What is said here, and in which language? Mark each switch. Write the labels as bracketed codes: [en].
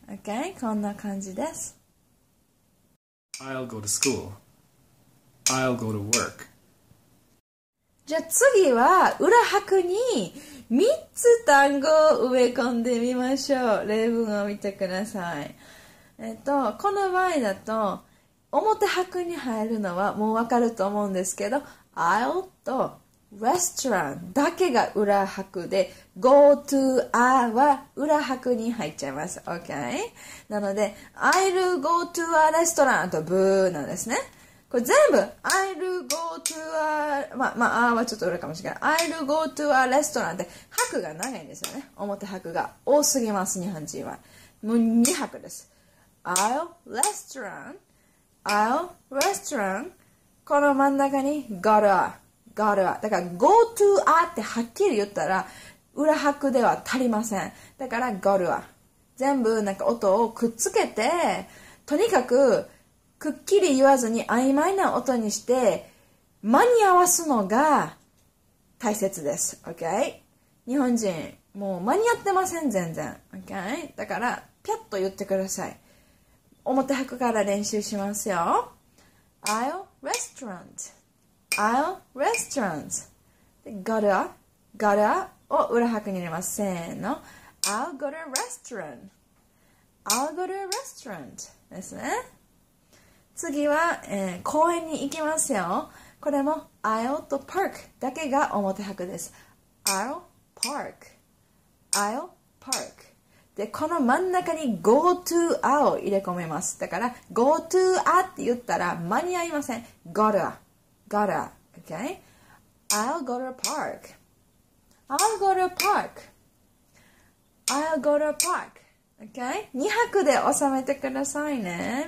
[ja] Okay, こんな感じです。 [en] I'll go to school, I'll go to work. [ja] じゃあ次は裏拍に3つ単語を埋め込んでみましょう。例文を見てください。この場合だと表拍に入るのはもうわかると思うんですけど、I'll と restaurant だけが裏拍で、 go to a は裏拍に入っちゃいます。OK? なので、 [en] I'll go to a restaurant [ja] と ブーなんですね。これ全部、 [en] I'll go to a、 [ja] まあ、あはちょっと裏かもしれない。 [en] I'll go to a restaurant [ja] って拍が長いんですよね。表拍が多すぎます、日本人は。もう2拍です。 [en] I'll restaurant、I'll restaurant、 [ja] この真ん中に [en] got a, got a。 [ja] だから go to a ってはっきり言ったら裏拍では足りません。だから got a、 全部なんか音をくっつけて、とにかくくっきり言わずに曖昧な音にして間に合わすのが大切です。 [en] OK? [ja] 日本人もう間に合ってません、全然。 [en] OK? [ja] だからピャッと言ってください。表拍から練習しますよ。 [en] I'll restaurant, I'll restaurant. [ja] Got a, got a を裏拍に入れます。 [en] せーの、 I'll go to a restaurant, I'll go to a restaurant ですね。 [ja] 次は、公園に行きますよ。これも I'll と park だけが表拍です。 [en] I'll park, I'll park。 [ja] で、この真ん中に go to a を入れ込めます。だから go to a って言ったら間に合いません。 [en] got a, got a, okay? I'll go to a park, I'll go to a park, I'll go to a park. Okay? [ja] 2拍で収めてくださいね。